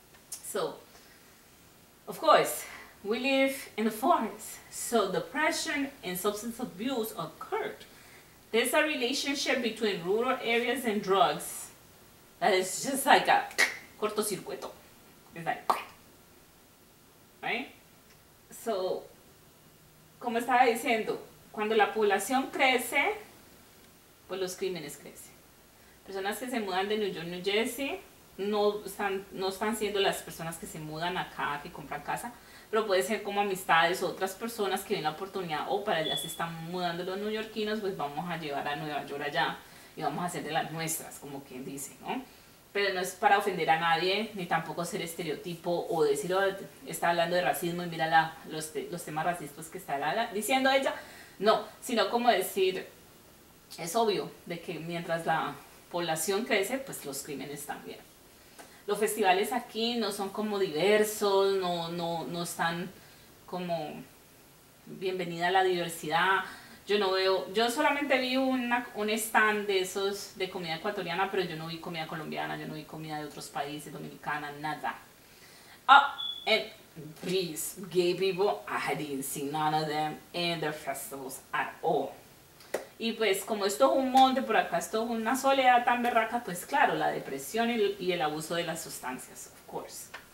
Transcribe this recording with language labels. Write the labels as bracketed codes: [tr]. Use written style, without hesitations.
[en] So, of course, we live in the forest. So depression and substance abuse occurred. There's a relationship between rural areas and drugs that is just like a cortocircuito. It's like, right? [es] So, como estaba diciendo, cuando la población crece, pues los crímenes crecen. Personas que se mudan de New York, New Jersey, no están siendo las personas que se mudan acá, que compran casa, pero puede ser como amistades o otras personas que ven la oportunidad, o para allá se están mudando los neoyorquinos, pues vamos a llevar a Nueva York allá y vamos a hacer de las nuestras, como quien dice, ¿no? Pero no es para ofender a nadie, ni tampoco ser estereotipo o decir, oh, está hablando de racismo y mira los temas racistas que está diciendo ella. No, sino como decir, Es obvio de que mientras la población crece, pues los crímenes también. Los festivales aquí no son como diversos, no están como bienvenida a la diversidad. Yo no veo, yo solamente vi un stand de esos de comida ecuatoriana, pero yo no vi comida colombiana, yo no vi comida de otros países, dominicana, nada. [en] Oh, and please, gay people, I didn't see none of them in the festivals at all. [es] Y pues como esto es un monte por acá, esto es una soledad tan berraca, pues claro, la depresión y el abuso de las sustancias, [en] of course.